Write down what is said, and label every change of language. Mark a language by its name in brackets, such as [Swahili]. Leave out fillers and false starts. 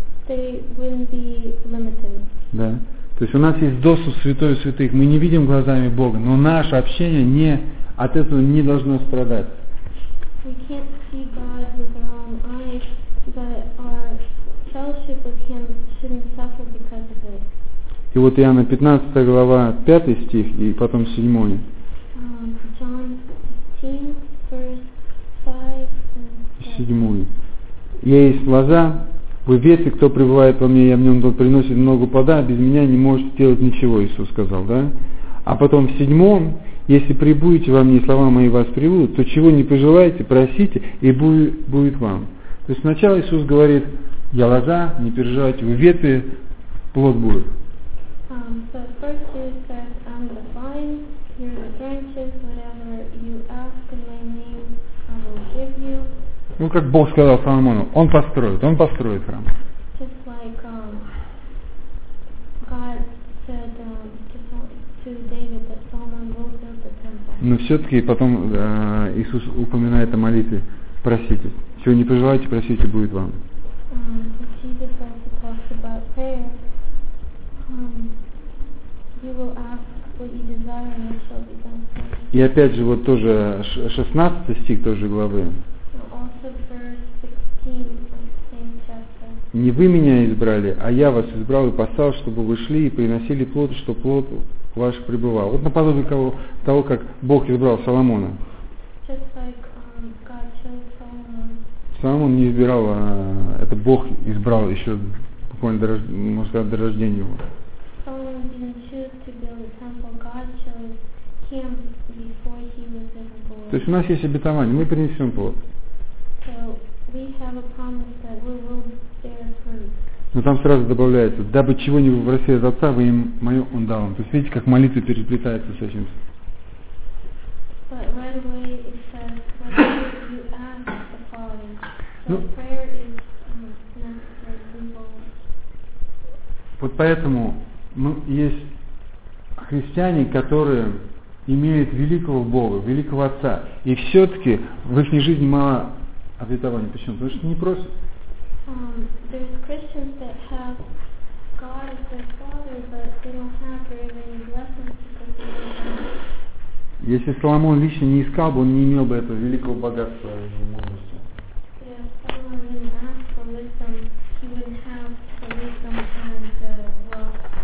[English] They wouldn't be limited. [Russian] Да. То есть у нас есть доступ к Святой Святых. Мы не видим глазами Бога, но наше общение не от этого не должно страдать. [English] We can't see God with our own eyes, but our fellowship with Him shouldn't suffer because of it. [Russian] И вот Иоанна 15 глава, 5 стих, и потом 7. [English] John 15, verse 5 and 7. [Russian] Я есть лоза, вы ветви, кто пребывает во мне, я в нем, тот приносит много плода, без меня не можете делать ничего, Иисус сказал, да? А потом в 7, если прибудете во мне, слова мои вас приведут, то чего не пожелаете, просите, и будет вам. То есть сначала Иисус говорит, я лоза, не переживайте, вы ветви, плод будет. [English] So first he says, I'm the vine, you're the branches, whatever you ask in my name, I will give you. [Russian] Ну, как Бог сказал Соломону, он построит храм. [English] Just like God said to David that Solomon will build the temple. [Russian] Но все-таки потом Иисус упоминает о молитве, просите, чего не пожелаете, просите, будет вам. [English] Jesus also talks about prayer. You will ask what you desire and it shall be done for you. [Russian] И опять же, вот тоже 16 стих той же главы. [English] Also verse 16 of the same chapter. [Russian] Не вы меня избрали, а я вас избрал и послал, чтобы вы шли и приносили плод, чтобы плод ваш пребывал. Вот наподобие того, как Бог избрал Соломона. [English] Just like God chose Solomon. [Russian] Соломон не избирал, а это Бог избрал еще буквально до рождения его. [English] Solomon didn't choose to build a temple. God chose him before he was ever born. [Russian] То есть у нас есть обетование, мы принесем плод. [English] So we have a promise that we will bear fruit. [Russian] Но там сразу добавляется, дабы чего не выпросили от Отца, вы им мое он дал вам. То есть видите, как молитва переплетается с этим. [English] But right away it says, what you ask the Father. So prayer is necessary. [Russian] Вот поэтому. Ну, есть христиане, которые имеют великого Бога, великого Отца, и все-таки в их жизни мало обетований. Почему? Потому что не просят. [English] There's Christians that have God as their Father, but they don't have very many blessings because they don't have. [Russian] Если Соломон лично не искал бы, он не имел бы этого великого богатства и мудрости. [English] If Solomon didn't ask for wisdom, he wouldn't have the wisdom and the wealth.